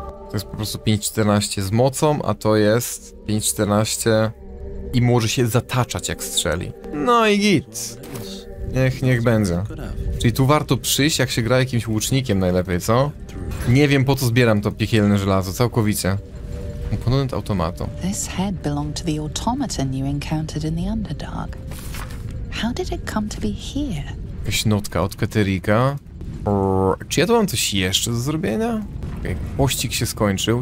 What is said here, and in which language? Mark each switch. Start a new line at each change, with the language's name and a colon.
Polish: To jest po prostu 5-14 z mocą, a to jest 5-14 i może się zataczać jak strzeli. No i git. Niech będzie. Czyli tu warto przyjść, jak się gra jakimś łucznikiem najlepiej, co? Nie wiem, po co zbieram to piekielne żelazo, całkowicie. Komponent automatu.
English: This head belonged to the automaton you encountered in the Underdark. How did it come to be here?
Polish: Jakaś notka od Katerika. Czy ja tu mam coś jeszcze do zrobienia? Okej, pościg się skończył.